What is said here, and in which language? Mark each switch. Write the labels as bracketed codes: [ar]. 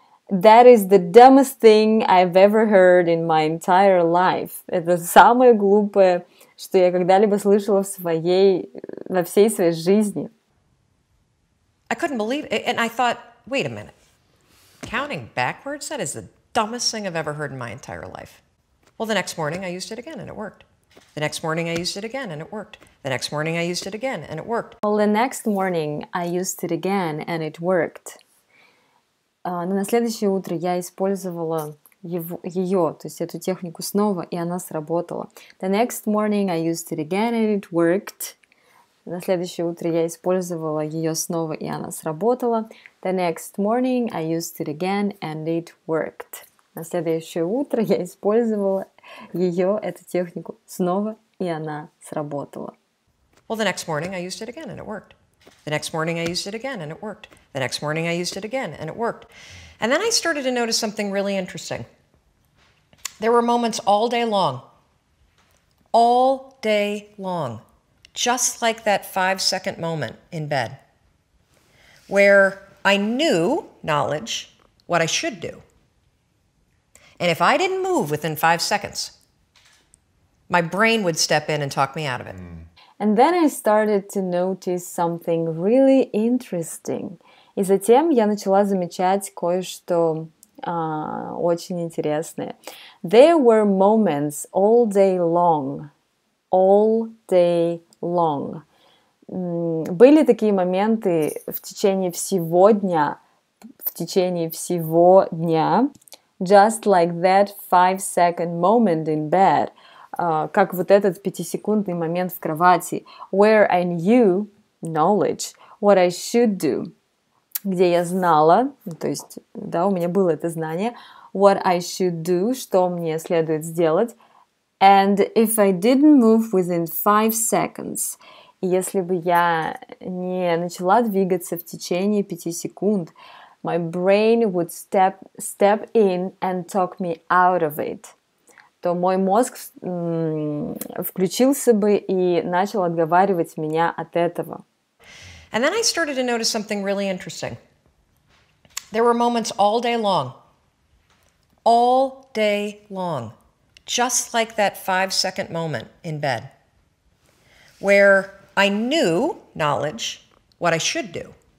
[en] That is the dumbest thing I've ever heard in my entire life. [ru] Это самое глупое, что я когда-либо слышала во всей своей жизни. [en] I couldn't believe it, and I thought, wait a minute. Counting backwards, that is the dumbest thing I've ever heard in my entire life. Well, the next morning I used it again, and it worked. The next morning I used it again, and it worked. The next morning I used it again, and it worked. Well, the next morning I used it again, and it worked. [ru] Но на следующее утро я использовала ее, то есть эту технику снова, и она сработала. [en] The next morning I used it again and it worked. [ru] На следующее утро я использовала ее снова, и она сработала. [en] The next morning I used it again and it worked. [ru] На следующее утро я использовала ее, эту технику, снова, и она сработала. [en] Well, the next morning I used it again and it worked. The next morning I used it again and it worked. The next morning I used it again and it worked. And then I started to notice something really interesting. There were moments all day long. All day long. Just like that 5 second moment in bed. Where I knew, knowledge, what I should do. And if I didn't move within 5 seconds, my brain would step in and talk me out of it. And then I started to notice something really interesting. [ru] И затем я начала замечать кое-что очень интересное. [en] There were moments all day long. All day long. [ru] Были такие моменты в течение всего дня. В течение всего дня. [en] Just like that 5 second moment in bed. [ru] как вот этот пятисекундный момент в кровати. [en] Where I knew knowledge, what I should do. [ru] Где я знала, то есть, да, у меня было это знание. [en] What I should do, [ru] что мне следует сделать. [en] And if I didn't move within 5 seconds, [ru] если бы я не начала двигаться в течение 5 секунд, [en] my brain would step in and talk me out of it. [ru] То мой мозг включился бы и начал отговаривать меня от этого. [en] And then I started to notice something really interesting. There were moments all day long. All day long. Just like that 5 second moment in bed. Where I knew knowledge, what I should do.